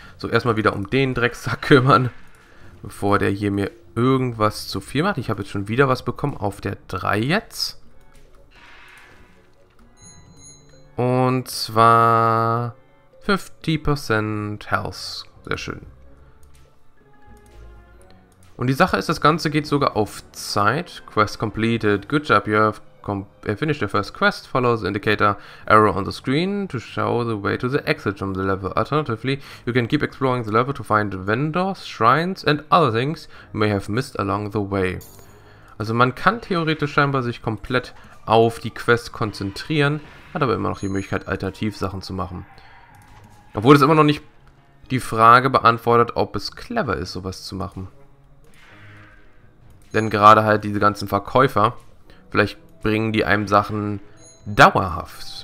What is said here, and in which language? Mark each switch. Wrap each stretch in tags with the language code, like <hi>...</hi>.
<de>So, erstmal wieder um den Drecksack kümmern, bevor der hier mir irgendwas zu viel macht. Ich habe jetzt schon wieder was bekommen auf der 3 jetzt. Und zwar 50% Health. Sehr schön. Und die Sache ist, das Ganze geht sogar auf Zeit.</de> <en>Quest completed. Good job, you have finished the first quest. Follow the indicator arrow on the screen to show the way to the exit from the level. Alternatively, you can keep exploring the level to find vendors, shrines and other things you may have missed along the way.</en> <de>Also man kann theoretisch scheinbar sich komplett auf die Quest konzentrieren, hat aber immer noch die Möglichkeit, Alternativsachen zu machen. Obwohl es immer noch nicht die Frage beantwortet, ob es clever ist, sowas zu machen. Denn gerade halt diese ganzen Verkäufer, vielleicht bringen die einem Sachen dauerhaft.</de>